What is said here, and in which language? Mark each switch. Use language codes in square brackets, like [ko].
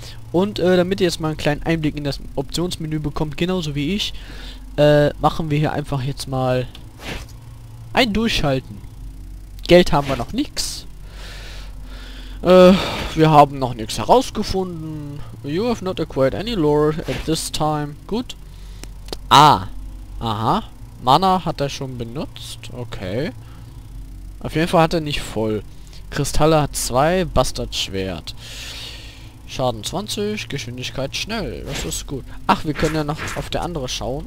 [de] Und damit ihr jetzt mal einen kleinen Einblick in das Optionsmenü bekommt, genauso wie ich, machen wir hier einfach jetzt mal ein Durchhalten. Geld haben wir noch nichts. Wir haben noch nichts herausgefunden. [en] You have not acquired any lore at this time. [de] Gut. Ah. Aha. Mana hat er schon benutzt. Okay. Auf jeden Fall hat er nicht voll. Kristalle hat 2. Bastardschwert. Schaden 20. Geschwindigkeit schnell. Das ist gut. Ach, wir können ja noch auf der andere schauen.